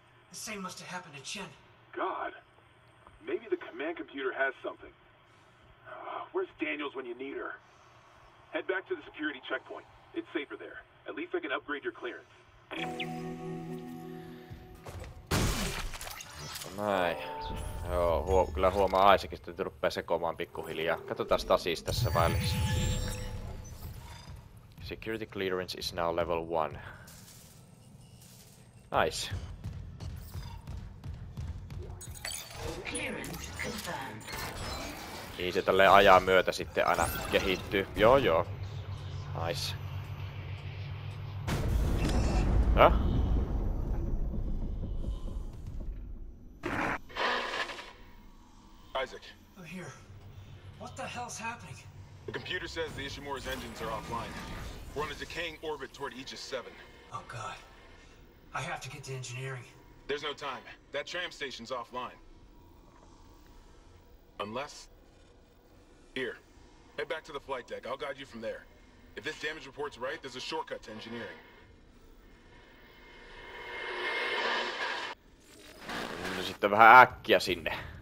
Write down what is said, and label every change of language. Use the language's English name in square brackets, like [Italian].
[English] The same must have happened to Chen. God. Maybe the command computer has something. Where's Daniels when you need her? Head back to the security checkpoint. It's safer there. At least I can upgrade your clearance. [Finnish] Näin. Joo, kyllä huomaa Isaacin, että nyt rupeaa sekoamaan pikkuhiljaa. Katsotaan Stasis tässä välissä. [English] Security clearance is now level 1. Nice. Clearance confirmed. [Finnish] Niin se tälleen ajaa myötä sitten aina kehittyy. Joo joo. [English] Nice. Häh? Isaac. I'm here. What the hell's happening? The computer says the Ishimura's engines are offline. We're on a decaying orbit toward Aegis 7. Oh god. I have to get to engineering. There's no time. That tram station's offline. Unless... Here. Head back to the flight deck. I'll guide you from there. If this damage report's right, there's a shortcut to engineering. [Finnish] Sitten vähän äkkiä sinne.